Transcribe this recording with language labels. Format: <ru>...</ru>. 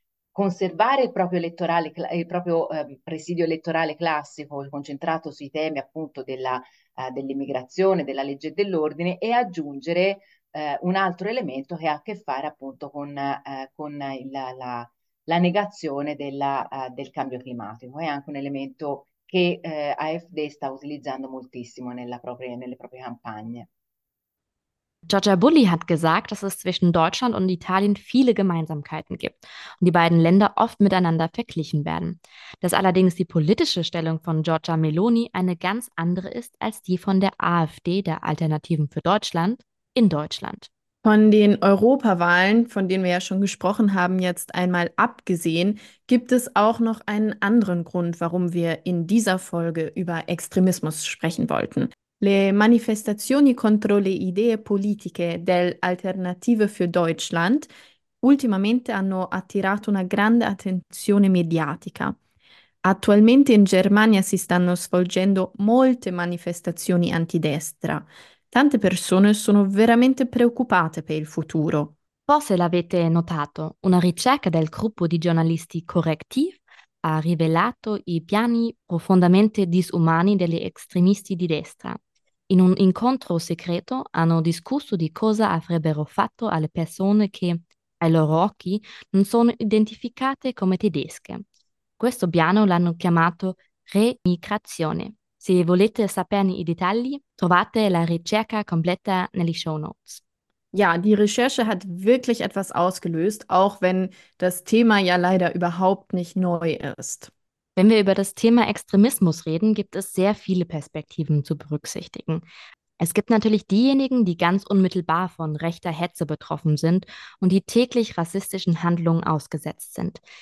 <it>conservare il proprio presidio elettorale classico, concentrato sui temi appunto dell'immigrazione, della legge e dell'ordine, e aggiungere un altro elemento che ha a che fare appunto con la negazione del cambio climatico. È anche un elemento che AfD sta utilizzando moltissimo nelle proprie campagne.</it> <de>Giorgia Bulli hat gesagt, dass es zwischen Deutschland und Italien viele Gemeinsamkeiten gibt und die beiden Länder oft miteinander verglichen werden. Dass allerdings die politische Stellung von Giorgia Meloni eine ganz andere ist als die von der AfD, der Alternativen für Deutschland, in Deutschland. Von den Europawahlen, von denen wir ja schon gesprochen haben, jetzt einmal abgesehen, gibt es auch noch einen anderen Grund, warum wir in dieser Folge über Extremismus sprechen wollten.</de> <it>Le manifestazioni contro le idee politiche dell'Alternative für Deutschland ultimamente hanno attirato una grande attenzione mediatica. Attualmente in Germania si stanno svolgendo molte manifestazioni antidestra. Tante persone sono veramente preoccupate per il futuro. Forse l'avete notato, una ricerca del gruppo di giornalisti Correctiv ha rivelato i piani profondamente disumani degli estremisti di destra. In un incontro segreto hanno discusso di cosa avrebbero fatto alle persone che, ai loro occhi, non sono identificate come tedesche. Questo piano l'hanno chiamato remigrazione. Se volete saperne i dettagli, trovate la ricerca completa negli show notes.</it> <de>Ja, die Recherche hat wirklich etwas ausgelöst, auch wenn das Thema ja leider überhaupt nicht neu ist. Wenn wir über das Thema Extremismus reden, gibt es sehr viele Perspektiven zu berücksichtigen. Es gibt natürlich diejenigen, die ganz unmittelbar von rechter Hetze betroffen sind und die täglich rassistischen Handlungen ausgesetzt sind.</de>